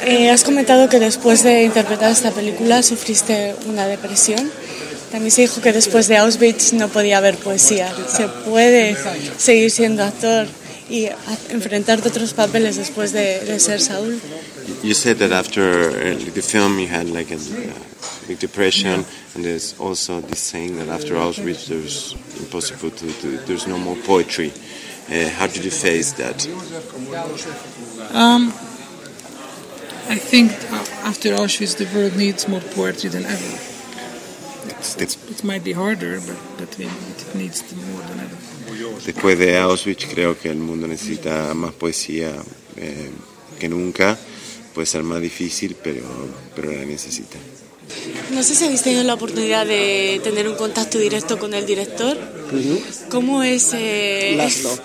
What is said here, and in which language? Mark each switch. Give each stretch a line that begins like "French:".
Spanish: Has comentado que después de interpretar esta película sufriste una depresión. También se dijo que después de Auschwitz no podía haber poesía. ¿Se puede seguir siendo actor y enfrentarte a otros papeles después de ser Saúl?
English: You said that after the film you had like a big depression, and there's also this saying that after Auschwitz there's impossible to there's no more poetry. How did you face that? I think after Auschwitz the world needs more poetry than ever. It might be harder, but it needs more than ever.
Spanish: Después de Auschwitz creo que el mundo necesita más poesía que nunca. Puede ser más difícil, pero la necesita. No sé si habéis tenido la oportunidad de tener un contacto directo con el director. ¿Cómo es Laszlo?